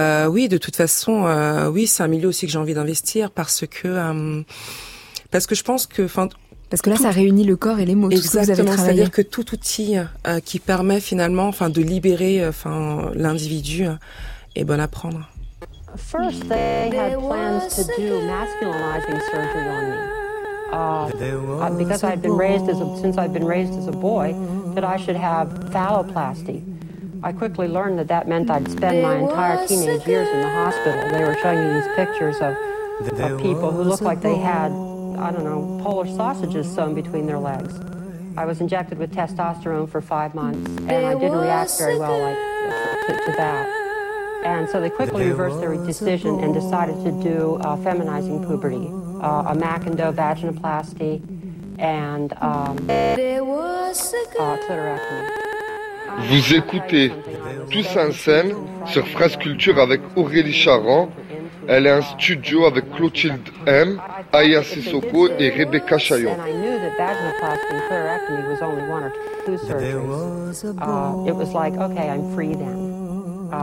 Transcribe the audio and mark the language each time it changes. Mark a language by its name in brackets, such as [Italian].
[French] Oui, de toute façon, c'est un milieu aussi que j'ai envie d'investir, parce que je pense que... Parce que là, ça réunit le corps et les mots. Exactement. C'est-à-dire que tout outil qui permet finalement, de libérer, l'individu, est bon à prendre. [English] First, they had plans to do masculinizing surgery on me, because I've been raised since I've been raised as a boy that I should have phalloplasty. I quickly learned that meant I'd spend my entire teenage years in the hospital. They were showing me these pictures of people who looked like they had, I don't know, Polish sausages sewn between their legs. I was injected with testosterone for 5 months, and I didn't react very well to that. And so they quickly reversed their decision and decided to do feminizing puberty, a Mac and Doe vaginoplasty, and clitoractomy. [French] Vous écoutez Tous en scène sur France Culture avec Aurélie Charron. Elle est en studio avec Clotilde M, Aya Sissoko et Rebecca Chaillon. [English] It was like, okay, I'm free then.